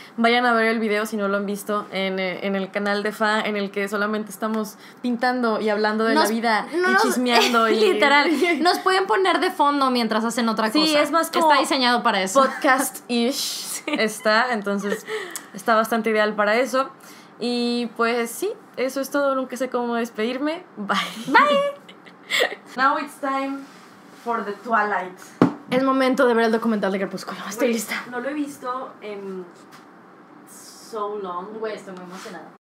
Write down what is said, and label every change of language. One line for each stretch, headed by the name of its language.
Spanish: Vayan a ver el video si no lo han visto en el canal de Fa, en el que solamente estamos pintando y hablando de la vida y chismeando. Literal, nos pueden poner de fondo mientras hacen otra cosa. Sí, es más como... está diseñado para eso. Podcast-ish está, entonces está bastante ideal para eso. Y pues sí, eso es todo. Nunca sé cómo despedirme. Bye. Bye.
English: Now it's time for the Twilight.
Spanish: Es momento de ver el documental de Crepúsculo. Estoy lista. No lo he visto en
English: so long.
Spanish: Güey, estoy muy emocionada.